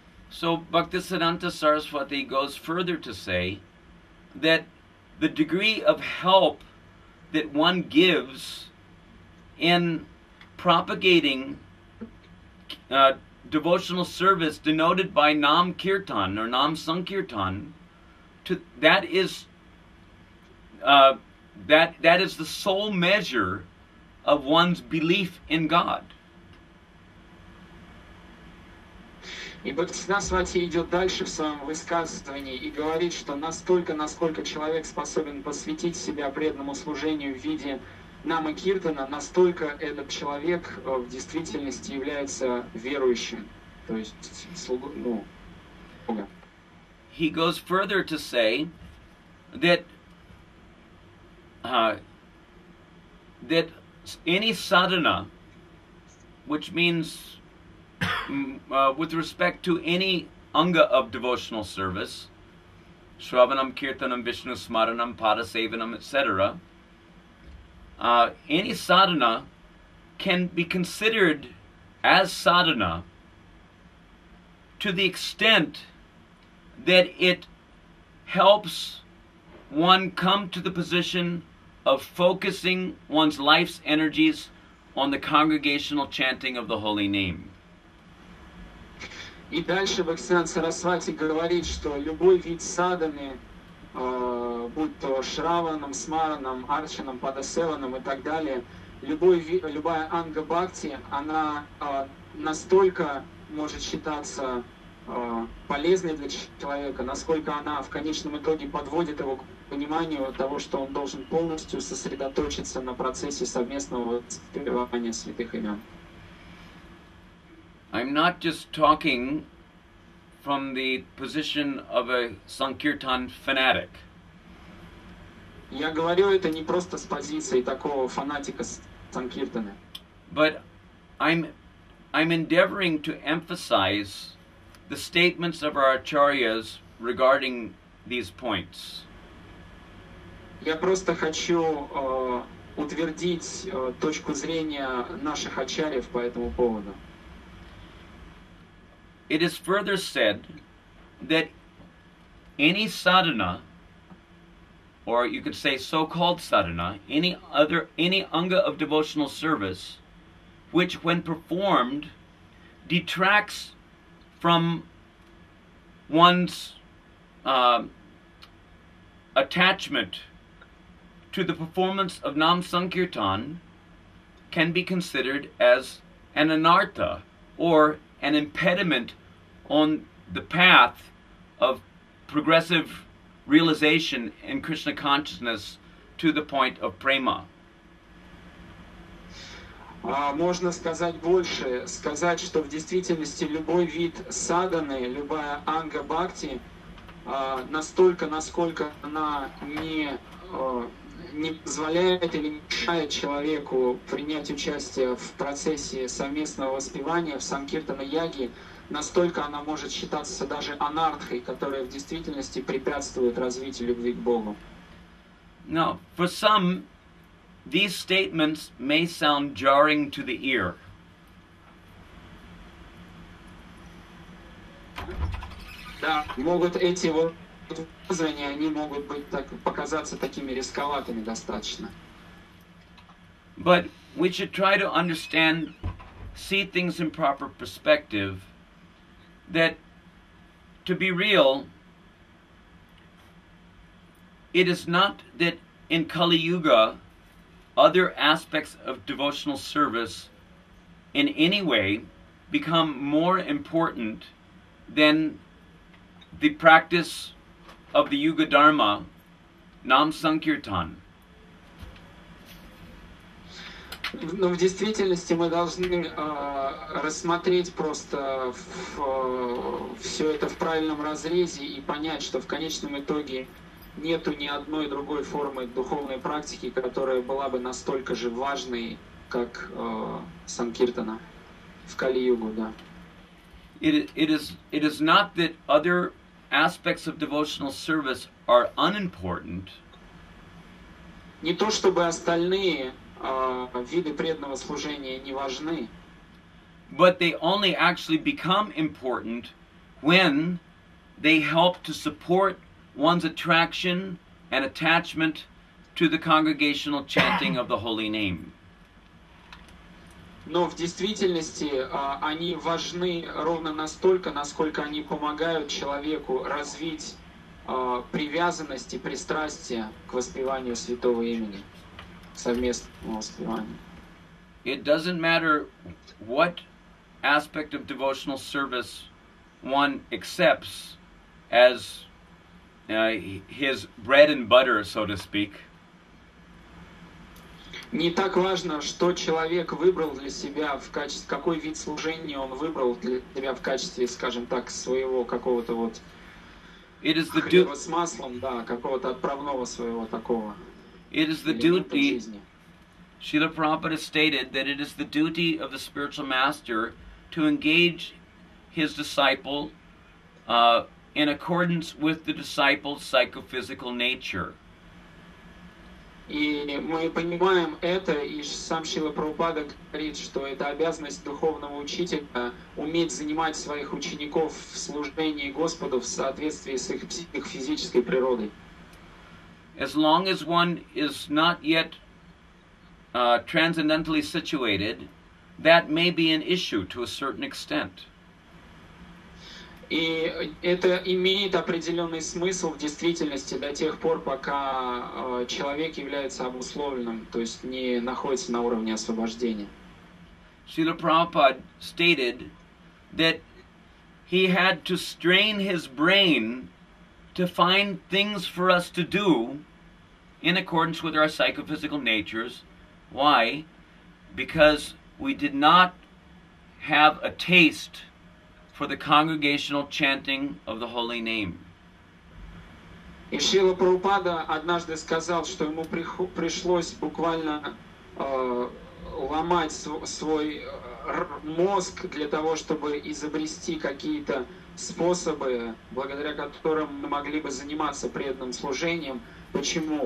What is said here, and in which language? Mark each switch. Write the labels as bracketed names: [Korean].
[English] So Bhaktisiddhanta Saraswati goes further to say that the degree of help that one gives in propagating devotional service denoted by Nam Kirtan or Nam Sankirtan, that is the sole measure of one's belief in God. [Russian] И Бхактисиддханта идет дальше в своем высказывании и говорит, что настолько, насколько человек способен посвятить себя преданному служению в виде Нама Киртана, настолько этот человек в действительности является верующим, то есть слугу, ну, Бога. [English] He goes further to say that that any sadhana, which means with respect to any anga of devotional service, shravanam, kirtanam, vishnu smaranam, pada sevanam, etc., any sadhana can be considered as sadhana to the extent that it helps one come to the position of focusing one's life's energies on the congregational chanting of the holy name. [Russian] И дальше Бхактисиддханта Сарасвати говорит, что любой вид садханы, будь то шраванам, смаранам, арчанам, падасеванам и так далее, любая анга бхакти, она настолько может считаться полезной для человека, насколько она в конечном итоге подводит его к пониманию того, что он должен полностью сосредоточиться на процессе совместного воспевания святых имен. [English] I'm not just talking from the position of a Sankirtan fanatic. [Russian] Я говорю это не просто с позиции такого фанатика Санкиртана. [English] But I'm endeavoring to emphasize the statements of our acharyas regarding these points. [Russian] Я просто хочу утвердить точку зрения наших ачарьев по этому поводу. [English] It is further said that any sadhana, or you could say so-called sadhana, any anga of devotional service, which when performed detracts from one's attachment to the performance of Nam Sankirtan, can be considered as an anartha, or an impediment on the path of progressive realization in Krishna consciousness to the point of prema. [Russian] Можно сказать больше, сказать, что в действительности любой вид садханы, любая анга бхакти, настолько, насколько она не позволяет или не мешает человеку принять участие в процессе совместного воспевания в Санкиртана-яге, настолько она может считаться даже анартхой, которая в действительности препятствует развитию любви к Богу. [English] Now, for some, these statements may sound jarring to the ear. [Russian] Да, могут эти вот... Звания, они могут быть так, показаться такими рисковатыми достаточно. [English] But we should try to understand, see things in proper perspective, that to be real, it is not that in Kali Yuga, other aspects of devotional service in any way become more important than the practice of the Yuga Dharma, Nam Sankirtan. [Russian] Но в действительности мы должны рассмотреть просто все это в правильном разрезе и понять, что в конечном итоге нету ни одной другой формы духовной практики, которая была бы настолько же важной, как Санкиртана в Кали-Югу, да. [English] It is not that other aspects of devotional service are unimportant. [Russian] Не то чтобы остальные виды преданного служения не важны. [English] But they only actually become important when they help to support one's attraction and attachment to the congregational chanting of the holy name. [Russian] Но в действительности они важны ровно настолько, насколько они помогают человеку развить привязанность и пристрастие к воспеванию святого имени, к совместному воспеванию. [English] It doesn't matter what aspect of devotional service one accepts as his bread and butter, so to speak. [Russian] Не так важно, что человек выбрал для себя в качестве, какой вид служения он выбрал для себя в качестве, скажем так, своего какого-то вот хлеба с маслом, да, какого-то отправного своего такого. [English] It is the duty, Srila Prabhupada stated, that it is the duty of the spiritual master to engage his disciple in accordance with the disciple's psychophysical nature. [Russian] И мы понимаем это, и сам Шрила Прабхупада говорит, что это обязанность духовного учителя уметь занимать своих учеников в служении Господу в соответствии с их психофизической природой. [English] As long as one is not yet transcendentally situated, that may be an issue to a certain extent. [Russian] И это имеет определенный смысл в действительности до тех пор, пока человек является обусловленным, то есть не находится на уровне освобождения. [English] Srila Prabhupada stated that he had to strain his brain to find things for us to do in accordance with our psychophysical natures. Why? Because we did not have a taste for the congregational chanting of the holy name. [Russian] И Шрила Прабхупада однажды сказал, что ему пришлось буквально ломать свой мозг для того, чтобы изобрести какие-то способы, благодаря которым мы могли бы заниматься преданным служением. Почему?